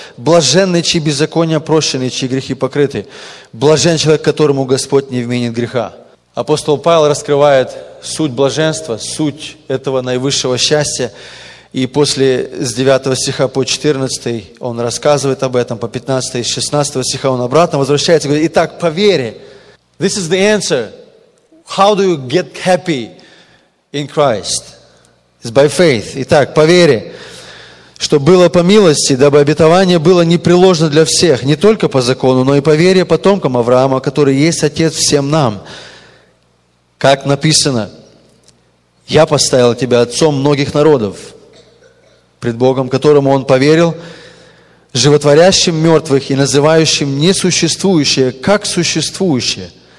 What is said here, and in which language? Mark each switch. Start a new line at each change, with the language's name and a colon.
Russian: Блаженный, чьи беззакония прощены, чьи грехи покрыты. Блажен человек, которому Господь не вменит греха. Апостол Павел раскрывает суть блаженства, суть этого наивысшего счастья. И после с 9 стиха по 14 он рассказывает об этом, по 15 и 16 стиха он обратно возвращается и говорит: «Итак, по вере».
English: This is the answer. How do you get happy in Christ? It's by faith.
Russian: Итак, по вере, что было по милости, дабы обетование было непреложно для всех, не только по закону, но и по вере потомкам Авраама, который есть отец всем нам. Как написано: «Я поставил тебя отцом многих народов, пред Богом, которому он поверил, животворящим мертвых и называющим несуществующее, как существующее.